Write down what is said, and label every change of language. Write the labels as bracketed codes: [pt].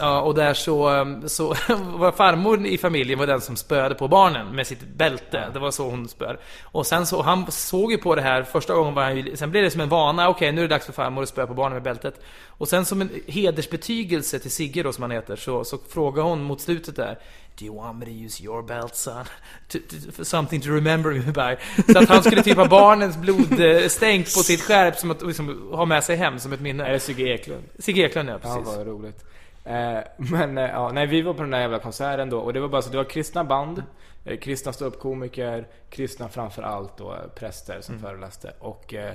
[sv] Ja, och där så var farmor i familjen var den som spöade på barnen med sitt bälte. Det var så hon spör. Och sen så han såg ju på det här första gången var han, sen blev det som en vana. Okej, nu är det dags för farmor att spöa på barnen med bältet. Och sen som en hedersbetygelse till Sigge då, som han heter, så frågar hon mot slutet där, [en] do you want me to use your belt, son? For something to remember me by. [sv] Så att han skulle typ ha barnens blodstänk på sitt skärp som att liksom, ha med sig hem som ett minne. Eller Sigge Eklund. Sigge Eklund, ja, precis. Ja, vad roligt. Men ja, nej, vi var på den där jävla konserten då. Och det var bara så, det var kristna band. Kristna stå upp komiker. Kristna framför allt då, präster som föreläste. Och